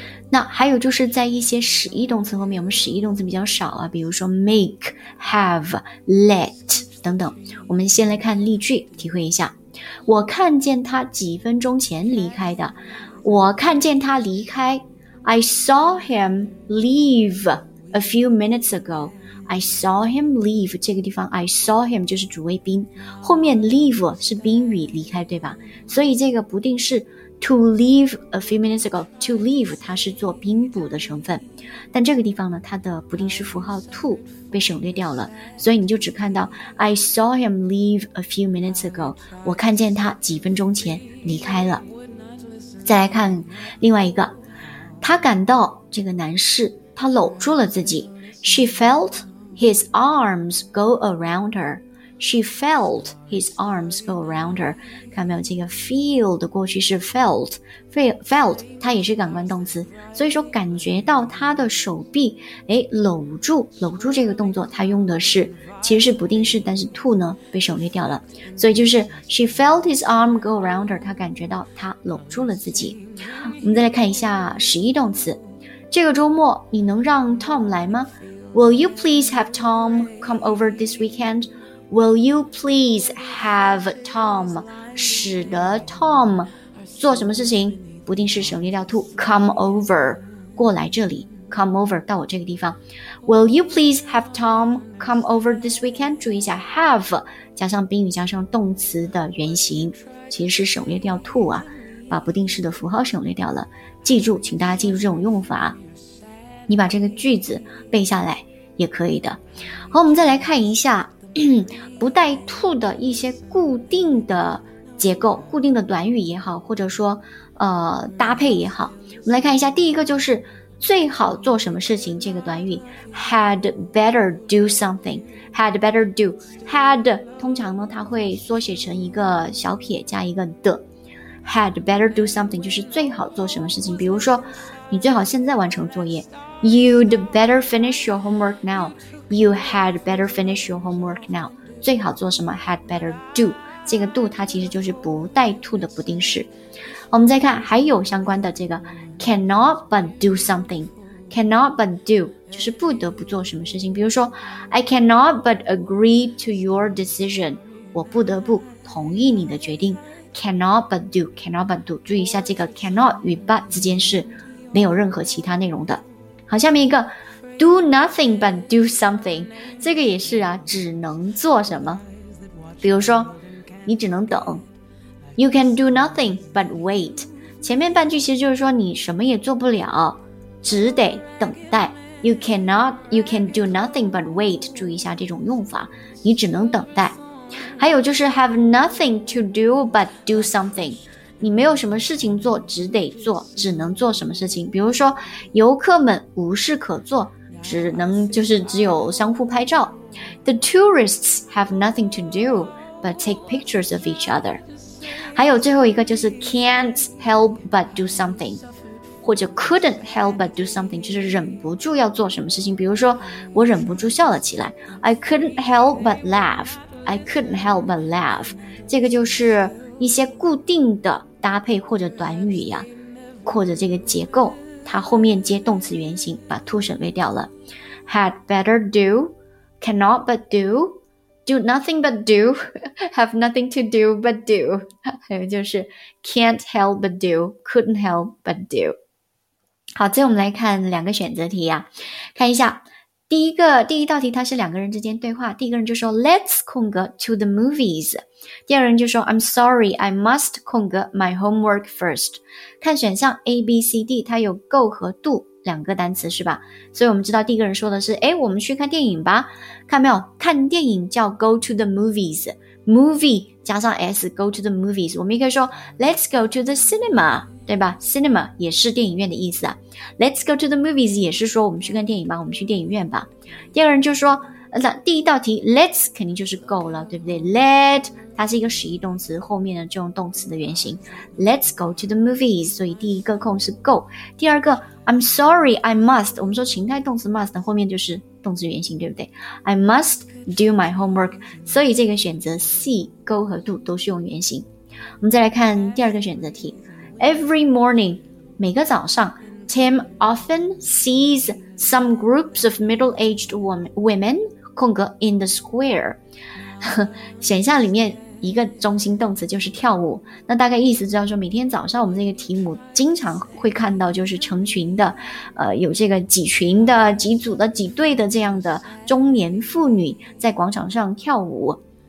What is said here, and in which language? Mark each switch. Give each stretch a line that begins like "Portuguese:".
Chinese: 那还有就是在一些使役动词后面，我们使役动词比较少啊，比如说 make, have, let 等等。我们先来看例句，体会一下。我看见他几分钟前离开的。我看见他离开。
English: I saw him leave. A few minutes ago, I saw him leave.
Chinese: 这个地方
English: I saw him
Chinese: 就是主谓宾，后面 leave 是宾语离开，对吧？所以这个不定式
English: to leave a few minutes ago,
Chinese: to leave 它是做宾补的成分，但这个地方呢，它的不定式符号 to 被省略掉了，所以你就只看到
English: I saw him leave a few minutes ago,
Chinese: 我看见他几分钟前离开了。再来看另外一个，他感到这个男士他搂住了自己。
English: She felt his arms go around her. She felt his arms go around her.
Chinese: 看没有，这个 feel 的过去是 felt， 它也是感官动词。所以说感觉到他的手臂，搂住这个动作，他用的是其实是不定式，但是 to 呢被省略掉了。所以就是
English: she felt his arm go around her，
Chinese: 他感觉到他搂住了自己。我们再来看一下使役动词。这个周末你能让 Tom 来吗？
English: Will you please have Tom come over this weekend? Will you please have Tom?
Chinese: 使得 Tom 做什么事情？不定式省略掉 to， come over， 过来这里， come over， 到我这个地方。
English: Will you please have Tom come over this weekend?
Chinese: 注意一下 have 加上宾语加上动词的原型，其实是省略掉 to 啊，把不定式的符号省略掉了。记住，请大家记住这种用法，你把这个句子背下来也可以的。好，我们再来看一下不带 to 的一些固定的结构，固定的短语也好，或者说搭配也好。我们来看一下，第一个就是最好做什么事情，这个短语
English: had better do something。
Chinese: had better do， had 通常呢它会缩写成一个小撇加一个的，had better do something 就是最好做什么事情。比如说你最好现在完成作业，
English: you'd better finish your homework now， you had better finish your homework now。
Chinese: 最好做什么， had better do， 这个 do 它其实就是不带 to 的不定式。我们再看还有相关的，这个 cannot but do something， cannot but do 就是不得不做什么事情。比如说
English: I cannot but agree to your decision，
Chinese: 我不得不同意你的决定。 Cannot but do, cannot but do， 注意一下这个 cannot 与 but 之间是没有任何其他内容的。好，下面一个 do nothing but do something， 这个也是啊，只能做什么，比如说你只能等，
English: you can do nothing but wait，
Chinese: 前面半句其实就是说你什么也做不了，只得等待。
English: you can do nothing but wait，
Chinese: 注意一下这种用法，你只能等待。还有就是
English: have nothing to do but do something，
Chinese: 你没有什么事情做，只得做，只能做什么事情。比如说游客们无事可做，只能就是只有相互拍照。
English: The tourists have nothing to do but take pictures of each other。
Chinese: 还有最后一个就是 can't help but do something， 或者 couldn't help but do something， 就是忍不住要做什么事情。比如说我忍不住笑了起来，
English: I couldn't help but laughI couldn't help but laugh，
Chinese: 这个就是一些固定的搭配或者短语呀，或者这个结构，它后面接动词原形，把 to 省略掉了。
English: Had better do, cannot but do, do nothing but do, have nothing to do but do， 还有就是 can't help but do, couldn't help but do。
Chinese: 好，最后我们来看两个选择题呀，看一下。第一道题它是两个人之间对话，第一个人就说 Let's 空格 to the movies， 第二个人就说
English: I'm sorry I must
Chinese: 空格 my homework first。 看选项 ABCD， 它有 go 和 do，两个单词是吧？所以我们知道第一个人说的是，诶，我们去看电影吧，看没有？看电影叫 go to the movies， movie 加上 s， go to the movies。我们也可以说
English: let's go to the cinema，
Chinese: 对吧？ cinema 也是电影院的意思啊。
English: let's go to the movies
Chinese: 也是说我们去看电影吧，我们去电影院吧。第二个人就说，第一道题 let's 肯定就是 go 了，对不对？ let 它是一个实义动词，后面的这种动词的原型
English: let's go to the movies，
Chinese: 所以第一个空是 go。
English: 第二个I'm sorry, I must.
Chinese: 我们说情态动词 must 后面就是动词原形，对不对？
English: I must do my homework.
Chinese: 所以这个选择 C, go 和 do 都是用原形。我们再来看第二个选择题。
English: Every morning,
Chinese: 每个早上
English: Tim often sees some groups of middle-aged women, 空格 in the square.
Chinese: 选项里面一个中心动词就是跳舞，那大概意思知道说每天早上我们这个题目经常会看到就是成群的有这个几群的几组的几队的这样的中年妇女在广场上跳舞。